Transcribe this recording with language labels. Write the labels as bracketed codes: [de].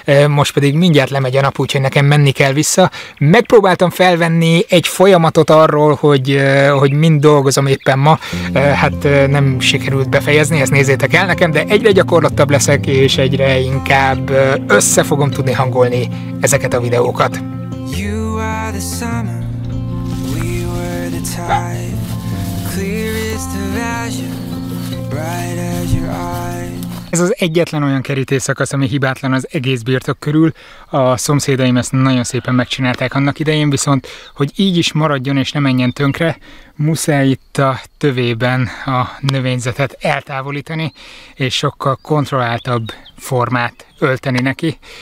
[hu] Most pedig mindjárt lemegy a nap, úgyhogy nekem menni kell vissza. Megpróbáltam felvenni egy folyamatot arról, hogy mind dolgozom éppen ma. Hát nem sikerült befejezni, ezt nézzétek el nekem, de egyre gyakorlottabb leszek, és egyre inkább össze fogom tudni hangolni ezeket a videókat. [en] You are the summer, we were the tide. Clear is the vision, bright as your eyes. [hu] Ez az egyetlen olyan kerítés szakasz, ami hibátlan az egész birtok körül. A szomszédaim ezt nagyon szépen megcsinálták annak idején, viszont hogy így is maradjon és ne menjen tönkre, muszáj itt a tövében a növényzetet eltávolítani, és sokkal kontrolláltabb formát ölteni neki.